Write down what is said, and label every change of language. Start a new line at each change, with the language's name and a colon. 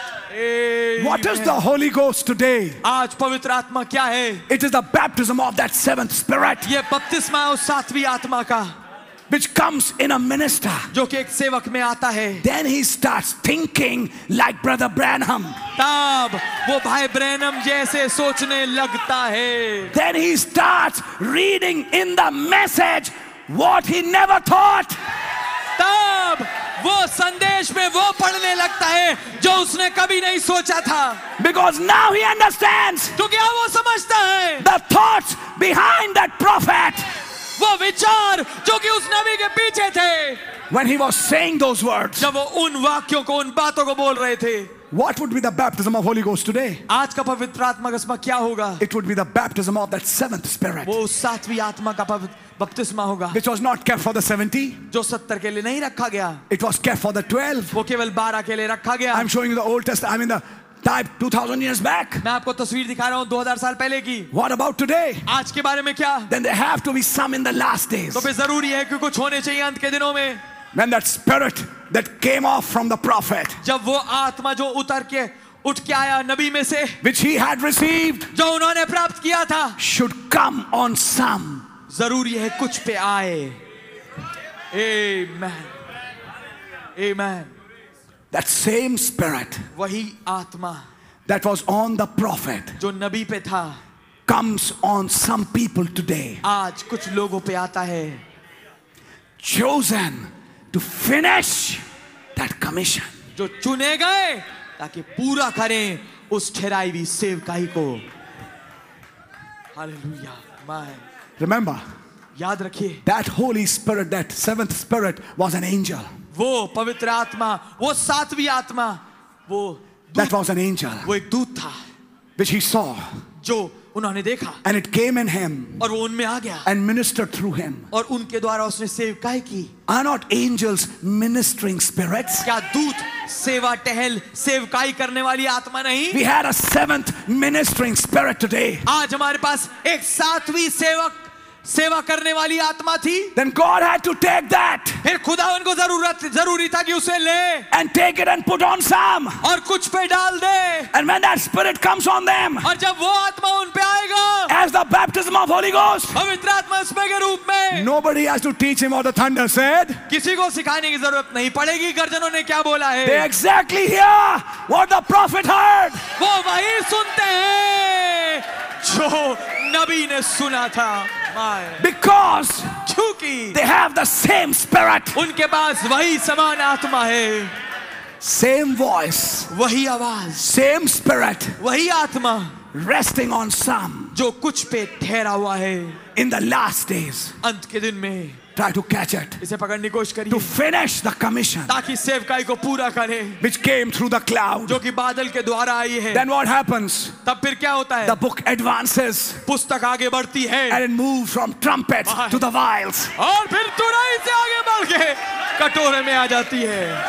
English: Amen. What is the Holy Ghost today?
Hindi: आज पवित्र आत्मा क्या है?
English: It is the baptism of that seventh spirit.
Hindi: ये बपतिस्मा है उस सातवीं आत्मा का.
English: Which comes in a minister.
Hindi: जो कि एक सेवक में आता है.
English: Then he starts thinking like Brother Branham.
Hindi: तब वो भाई ब्रैनम जैसे सोचने लगता है.
English: Then he starts reading in the message what he never thought.
Hindi: तब वो संदेश में वो पढ़ने लगता है जो उसने कभी नहीं सोचा था
English: because now he understands
Hindi: क्योंकि अब वो समझता है
English: the thoughts behind that prophet
Hindi: वो विचार जो कि उस नबी के पीछे थे
English: when he was saying those words
Hindi: जब वो उन वाक्यों को उन बातों को बोल रहे थे
English: What would be the baptism of Holy Ghost today?
Hindi: आज का पवित्र आत्मा का इसमें क्या होगा?
English: It would be the baptism of that seventh spirit.
Hindi: वो सातवीं आत्मा का बपतिस्मा होगा.
English: Which was not kept for the 70.
Hindi: जो 70 के लिए नहीं रखा गया.
English: It was kept for the 12.
Hindi: वो केवल 12 के लिए रखा गया.
English: I'm showing you the Old Testament. I mean the type 2000 years back.
Hindi: मैं आपको तस्वीर दिखा रहा हूँ 2000 साल पहले की.
English: What about today?
Hindi: आज के बारे में क्या?
English: Then there have to be some in the last days.
Hindi: तो फिर जरूरी है कि कुछ होने चाहिए अंत के दिनों में.
English: When that spirit that came off from the prophet,
Hindi: जब वो आत्मा जो उतर के उठ के आया नबी में से,
English: which he had received,
Hindi: जो उन्होंने प्राप्त किया था,
English: should come on some.
Hindi: जरूरी है कुछ पे आए. Amen. Amen.
English: That same spirit,
Hindi: वही आत्मा,
English: that was on the prophet,
Hindi: जो नबी पे था,
English: comes on some people today.
Hindi: आज कुछ लोगों पे आता है.
English: Chosen. To finish that commission.
Hindi: जो चुने गए ताकि पूरा करें उस ठहराई हुई सेवकाई को.
English: Hallelujah, my. Remember.
Hindi: याद रखिए.
English: That Holy Spirit, that seventh Spirit, was an angel.
Hindi: वो पवित्र आत्मा, वो सातवीं आत्मा, वो.
English: That was an angel.
Hindi: वो एक दूत था.
English: Which he saw.
Hindi: जो उन्होंने देखा.
English: And it came in him.
Hindi: और वो उनमें आ गया.
English: And ministered through him.
Hindi: और उनके द्वारा उसने सेवकाई की.
English: Are not angels ministering spirits?
Hindi: क्या दूत सेवा टहल सेवकाई करने वाली आत्मा नहीं?
English: We had a seventh ministering spirit today.
Hindi: आज हमारे पास एक सातवीं सेवक सेवा करने वाली आत्मा थी.
English: Then God had to take that.
Hindi: फिर खुदा उनको जरूरत जरूरी था कि उसे ले.
English: And take it and put on some.
Hindi: और कुछ पे डाल दे.
English: And when that spirit comes on them.
Hindi: और जब वो आत्मा उन पे आएगा.
English: As the baptism of Holy Ghost.
Hindi: पवित्र आत्मा उसमें के रूप में.
English: Nobody has to teach him what the thunder said.
Hindi: किसी को सिखाने की जरूरत नहीं पड़ेगी गर्जनों ने क्या बोला है.
English: They exactly hear what the prophet heard.
Hindi: वो वही सुनते हैं जो नबी ने सुना था.
English: Because they have the same spirit.
Hindi: उनके पास वही समान आत्मा है.
English: Same voice.
Hindi: वही आवाज.
English: Same spirit.
Hindi: वही आत्मा.
English: Resting on some.
Hindi: जो कुछ पे ठहरा हुआ है.
English: In the last days.
Hindi: अंत के दिन में.
English: try to catch it.
Hindi: इसे पकड़ने की कोशिश करिए.
English: To finish the commission.
Hindi: ताकि सेवकाई को पूरा करें.
English: Which came through the cloud.
Hindi: जो कि बादल के द्वारा आई है.
English: Then what happens?
Hindi: तब फिर क्या होता है?
English: The book advances.
Hindi: पुस्तक आगे बढ़ती है.
English: And it moves from trumpets to the vials.
Hindi: और फिर तुरही से आगे बढ़ के कटोरे में आ जाती है.